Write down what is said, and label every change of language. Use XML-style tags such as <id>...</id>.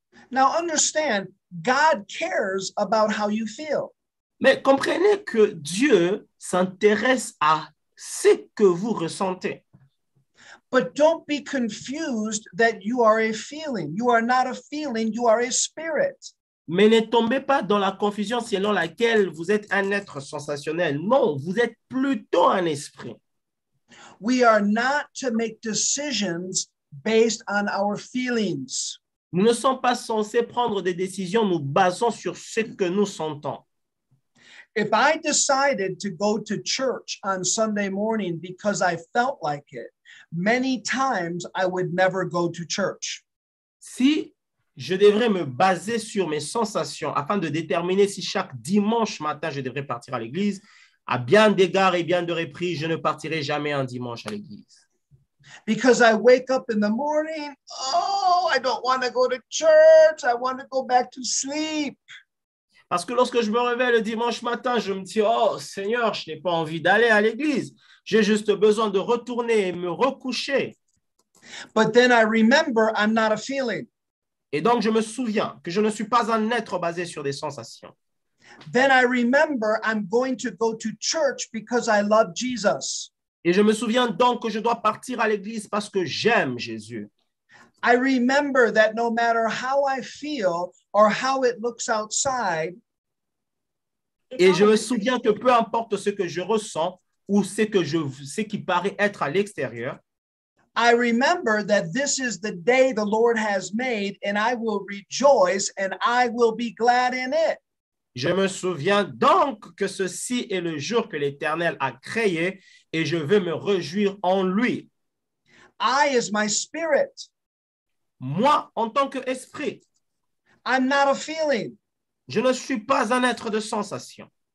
<en>Now understand, God cares about how you feel.</en> <fr>Mais comprenez que Dieu s'intéresse à ce que vous ressentez.</fr> <en>But don't be confused that you are a feeling. You are not a feeling, you are a spirit.</en> <fr>Mais ne tombez pas dans la confusion selon laquelle vous êtes un être sensationnel. Non, vous êtes plutôt un esprit.</fr> <en>We are not to make decisions based on our feelings.</en> <fr>Nous ne sommes pas censés prendre des décisions nous basant sur ce que nous sentons.</fr> <en>If I decided to go to church on Sunday morning because I felt like it, many times I would never go to church.</en> <fr>Si je devrais me baser sur mes sensations afin de déterminer si chaque dimanche matin je devrais partir à l'église, à bien d'égards et bien de répris, je ne partirai jamais un dimanche à l'église.</fr> <en>Because I wake up in the morning, oh, I don't want to go to church, I want to go back to sleep.</en> <fr>Parce que lorsque je me réveille le dimanche matin, je me dis, oh Seigneur, je n'ai pas envie d'aller à l'église. J'ai juste besoin de retourner et me recoucher.</fr> <en>But then I remember I'm not a feeling.</en> <fr>Et donc je me souviens que je ne suis pas un être basé sur des sensations.</fr> <en>Then I remember I'm going to go to church because I love Jesus.</en> <fr>Et je me souviens donc que je dois partir à l'église parce que j'aime Jésus.</fr> <en>I remember that no matter how I feel or how it looks outside.</en> <fr>Et je me souviens que peu importe ce que je ressens ou ce qui paraît être à l'extérieur.</fr> <en>I remember that this is the day the Lord has made and I will rejoice and I will be glad in it.</en> <fr>Je me souviens donc que ceci est le jour que l'Éternel a créé et je veux me réjouir en lui.</fr> <en>I is my spirit.</en> <fr>Moi, en tant qu'esprit,</fr> <en>I'm not a feeling.</en> <fr>Je ne suis pas un être de sensation.</fr>